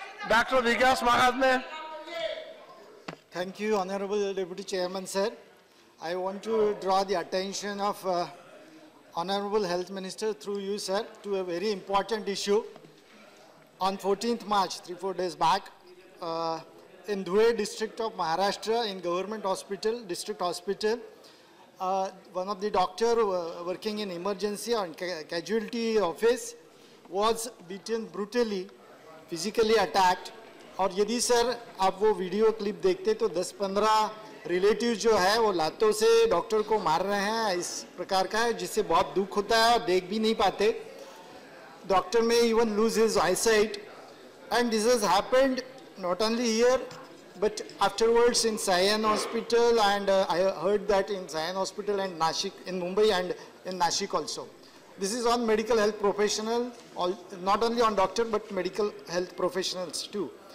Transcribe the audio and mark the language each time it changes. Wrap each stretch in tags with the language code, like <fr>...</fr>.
<hi>Doctor विज्ञास Mahatme.</hi> <en>Thank you honourable deputy chairman sir. I want to draw the attention of honourable health minister through you sir to a very important issue. On 14th March, 3-4 days back, in Dhule district of Maharashtra, in government hospital, district hospital, one of the doctor working in emergency or casualty office was beaten brutally, physically attacked.</en> <hi>और यदि sir आप वो video clip देखते तो 10-15 relatives जो है वो लातों से डॉक्टर को मार रहे हैं, इस प्रकार का है जिससे बहुत दुख होता है और देख भी नहीं पाते।</hi> <en>Doctor may even lose his eyesight, and this has happened not only here but afterwards in Sayan Hospital, and I heard that in Sayan Hospital and Nashik, in Mumbai and in Nashik also. This is on medical health professional, not only on doctor but medical health professionals too.</en>